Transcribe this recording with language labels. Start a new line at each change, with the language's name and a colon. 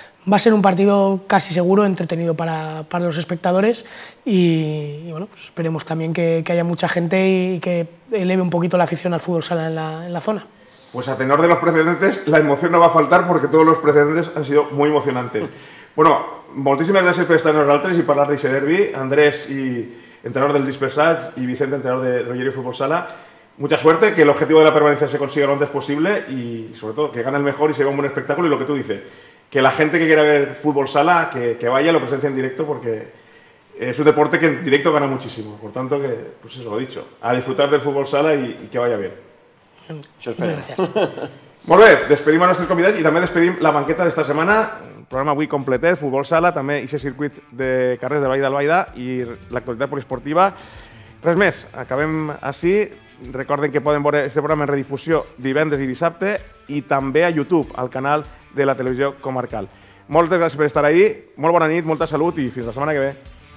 Spanish: Va a ser un partido casi seguro, entretenido para los espectadores, y bueno, pues esperemos también que haya mucha gente y que eleve un poquito la afición al fútbol sala en la zona. Pues a tenor de los precedentes, la emoción no va a faltar porque todos los precedentes han sido muy emocionantes.
Catalan: Bueno, moltíssimes gràcies per estar amb nosaltres i parlar d'aquest derbi. Andrés, entrenador del Dispersats, i Vicente, entrenador de Olleria Futbol Sala.
Spanish: Mucha suerte, que el objetivo de la permanencia se consiga lo antes posible y, sobre todo, que gane el mejor y se vea un buen espectáculo. Y lo que tú dices, que la gente que quiera ver Futbol Sala, que vaya, lo presencie en directo, porque es un deporte que en directo gana muchísimo. Por tanto, que, pues eso, lo dicho, a disfrutar del Futbol Sala y que vaya bien. Yo espero. Muchas gracias.
Catalan: Molt bé, despedim a nostres convidats i també despedim la banqueta d'esta setmana. Programa avui completet, futbol sala, també ixe circuit de carrers de Vall d'Albaida i l'actualitat poliesportiva. Res més, acabem així. Recorden que poden veure este programa en redifusió divendres i dissabte i també a YouTube, al canal de la televisió comarcal. Moltes gràcies per estar ahí, molt bona nit, molta salut i fins la setmana que ve.